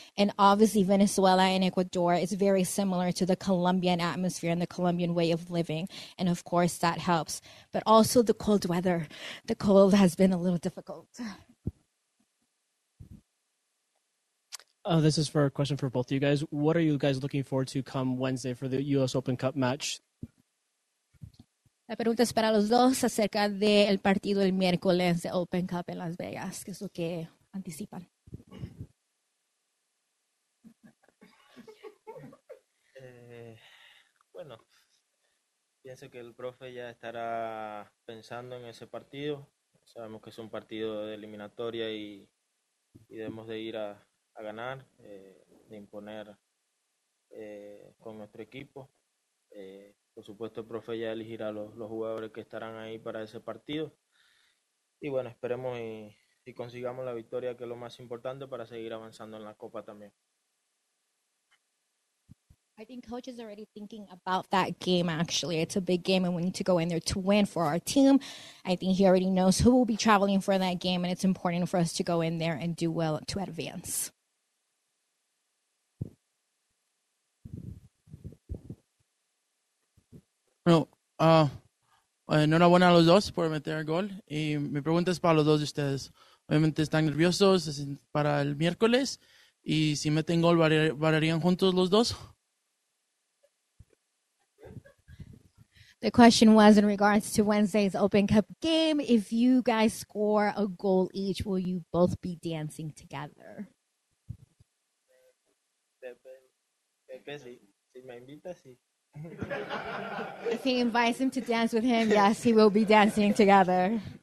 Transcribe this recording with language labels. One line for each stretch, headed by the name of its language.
English: And obviously Venezuela and Ecuador is very similar to the Colombian atmosphere and the Colombian way of living. And of course that helps, but also the cold weather. The cold has been a little difficult. This is for a question for both of you guys. What are you guys looking forward to come Wednesday for the U.S. Open Cup match?
Spanish: La pregunta es para los dos acerca del partido el miércoles de Open Cup en Las Vegas. ¿Qué es lo que anticipan? Bueno, pienso que el profe ya estará pensando en ese partido. Sabemos que es un partido de eliminatoria y debemos de ir a ganar, de imponer con nuestro equipo. Por supuesto, el profe ya elegirá los jugadores que estarán ahí para ese partido. Y bueno, esperemos y consigamos la victoria, que es lo más importante para seguir avanzando en la Copa también.
English: I think coach is already thinking about that game, actually. It's a big game, and we need to go in there to win for our team. I think he already knows who will be traveling for that game, and it's important for us to go in there and do well to advance.
Spanish: Bueno, enhorabuena a los dos por meter el gol. Y mi pregunta es para los dos de ustedes. Obviamente están nerviosos para el miércoles. Y si meten gol, ¿variarían juntos los dos?
English: The question was in regards to Wednesday's Open Cup game. If you guys score a goal each, will you both be dancing together? If he invites him to dance with him, yes, he will be dancing together.